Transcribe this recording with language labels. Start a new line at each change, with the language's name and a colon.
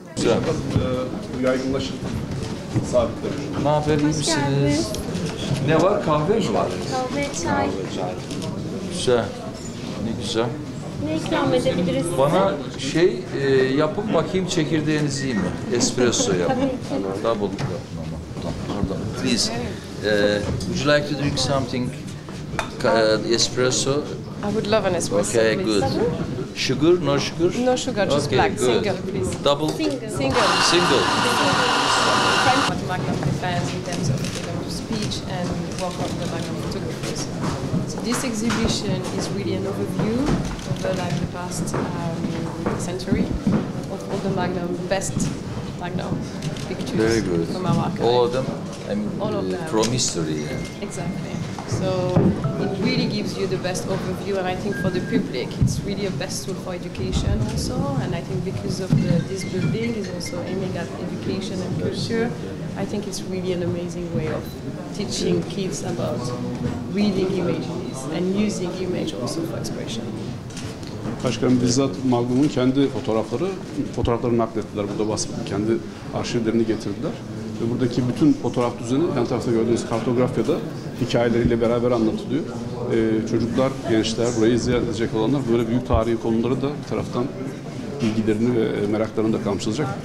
Turkish: efendim. Güzel. Yaygınlaşın. Sabitler. Ne yapayım, iyi misiniz? Ne var, kahve mi var? Kahve, çay. Güzel. Ne güzel. Ne ikram edebiliriz size? Bana şey yapın bakayım çekirdeğiniz iyi mi? Espresso yapın. Double yapın ama. Pardon.
English: Please. Would you like to drink something? Espresso? I would love an espresso, okay, please. Okay, good. Sugar? No sugar? No sugar, just okay, black. Good. Single, please. Double? Single. Single. French what Magnum defines in terms of freedom of speech and work of the Magnum photographers. So this exhibition is really an overview over like the past century of all the Magnum, best Magnum pictures. Very good. From our archive. All of them? I mean, all of them. From history. Yeah. Exactly. So it really gives you the best overview, and I think for the public, it's really a best tool for education also. And I think because of this building is also aiming at education and culture, I think it's really an amazing way of teaching kids about reading images and using image also for expression.
Turkish: Başkanım, bizzat Magnum'un kendi fotoğraflarını naklettiler. Burada basmadı. Kendi arşivlerini getirdiler. Ve buradaki bütün fotoğraf düzeni, yan tarafta gördüğünüz kartografyada hikayeleriyle beraber anlatılıyor. Çocuklar, gençler, burayı izleyecek olanlar böyle büyük tarihi konuları da bir taraftan bilgilerini ve meraklarını da kamçılacak.